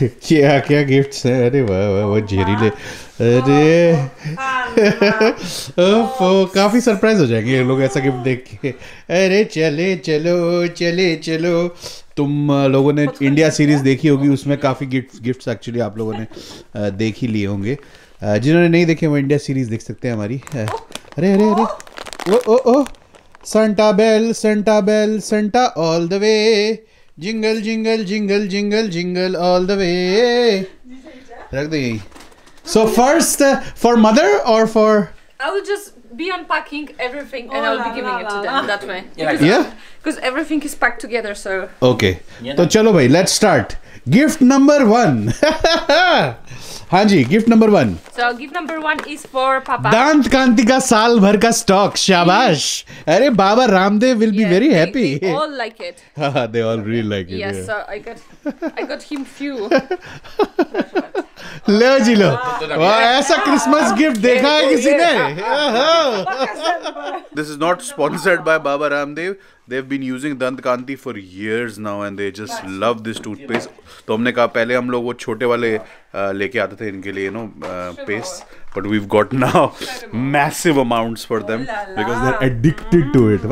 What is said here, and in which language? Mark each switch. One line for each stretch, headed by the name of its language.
Hindi: क्या क्या गिफ्ट्स हैं अरे वाह वाह वाह जेरी ले अरे ओफो काफी सरप्राइज हो जाएंगे लोग ऐसा गिफ्ट देख के अरे चले चलो चले चलो तुम लोगों ने इंडिया सीरीज देखी होगी उसमें काफ़ी गिफ्ट्स एक्चुअली आप लोगों ने देख ही लिए होंगे जिन्होंने नहीं देखे वो इंडिया सीरीज देख सकते हैं हमारी अरे अरे अरे ओ ओ ओ
English: Santa bell Santa bell Santa all the way jingle jingle jingle jingle jingle all the way
Hindi: रख दे यहीं
English: so first for mother और for be unpacking everything and I'll be giving it to them that way because everything is packed together so okay so
Hindi: chalo bhai
English: let's start gift number 1
Hindi: हाँ जी
English: gift number one so gift number one is for पापा
Hindi: दांत कांति का साल भर का stock शाबाश अरे Baba Ramdev
English: will be very happy all like it हां they all really like it yes so I got him few
Hindi: लो जी लो वाह ऐसा क्रिसमस गिफ्ट देखा है किसी ने
English: This is not sponsored by Baba Ramdev They've been using Dant Kanti for years now and they just love this toothpaste.
Hindi: तो हमने कहा पहले हम लोग वो छोटे वाले लेके आते थे इनके लिए paste.
English: But we've got now massive amounts for them because they're addicted to it.